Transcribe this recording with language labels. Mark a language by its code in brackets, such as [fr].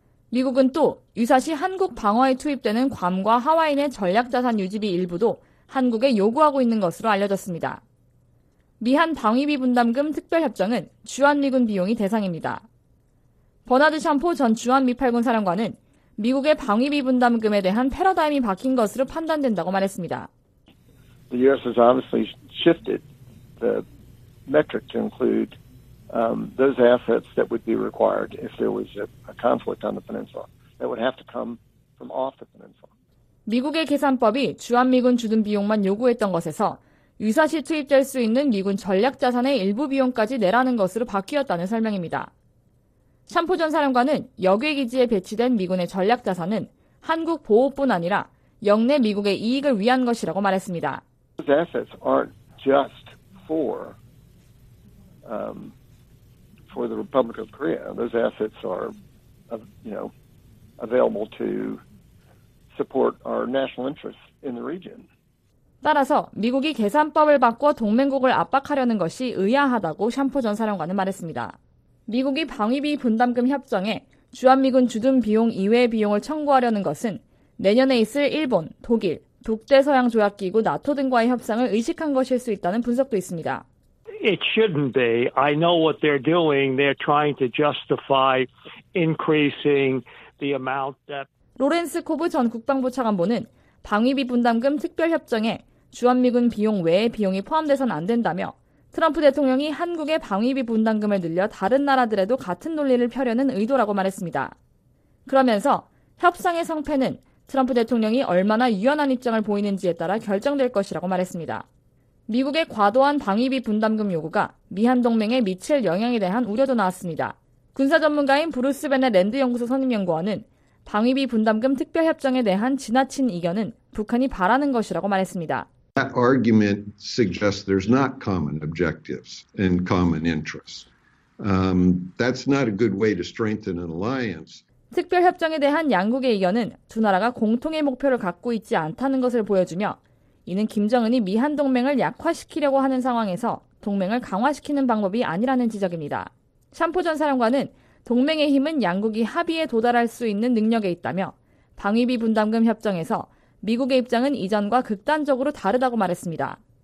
[ko] 미국은 또 유사시 한국 방어에 투입되는 괌과 하와이의 전략자산 유지비 일부도 한국에 요구하고 있는 것으로 알려졌습니다. 미한 방위비 분담금 특별협정은 주한미군 비용이 대상입니다. 버나드 샴포 전 주한미팔군 사령관은 미국의 방위비 분담금에 대한 패러다임이 바뀐 것으로 판단된다고 말했습니다. [en] The U.S. has obviously shifted the metric to include those assets that would be required if there was a conflict on the peninsula. That would have to come from off the peninsula. [ko] 미국의 계산법이 주한미군 주둔 비용만 요구했던 것에서 유사시 투입될 수 있는 미군 전략 자산의 일부 비용까지 내라는 것으로 바뀌었다는 설명입니다. 샴포 전 사령관은 여객기지에 배치된 미군의 전략 자산은 한국 보호뿐 아니라 영내 미국의 이익을 위한 것이라고 말했습니다. [en] These assets aren't just for the Republic of Korea. Those assets are, you know, available to support our national interests in the region. [ko] 따라서 미국이 계산법을 바꿔 동맹국을 압박하려는 것이 의아하다고 샴포 전 사령관은 말했습니다. 미국이 방위비 분담금 협정에 주한미군 주둔 비용 이외의 비용을 청구하려는 것은 내년에 있을 일본, 독일, 북대서양조약기구 나토 등과의 협상을 의식한 것일 수 있다는 분석도 있습니다. [en] It shouldn't be. I know what they're doing. They're trying to justify increasing the amount that [ko] 로렌스 코브 전 국방부 차관보는 방위비 분담금 특별협정에 주한미군 비용 외의 비용이 포함돼서는 안 된다며 트럼프 대통령이 한국의 방위비 분담금을 늘려 다른 나라들에도 같은 논리를 펴려는 의도라고 말했습니다. 그러면서 협상의 성패는 트럼프 대통령이 얼마나 유연한 입장을 보이는지에 따라 결정될 것이라고 말했습니다. 미국의 과도한 방위비 분담금 요구가 미한 동맹에 미칠 영향에 대한 우려도 나왔습니다. 군사 전문가인 브루스 베넷 랜드 연구소 선임 연구원은 방위비 분담금 특별협정에 대한 지나친 이견은 북한이 바라는 것이라고 말했습니다. [en] That argument suggests there's not common objectives and common interests. That's not a good way to strengthen an alliance. [ko] 특별협정에 대한 양국의 의견은 두 나라가 공통의 목표를 갖고 있지 않다는 것을 보여주며 이는 김정은이 미한 동맹을 약화시키려고 하는 상황에서 동맹을 강화시키는 방법이 아니라는 지적입니다. 샴포 전 사령관은 동맹의 힘은 양국이 합의에 도달할 수 있는 능력에 있다며 방위비 분담금 협정에서 미국의 입장은 이전과 극단적으로 다르다고 말했습니다.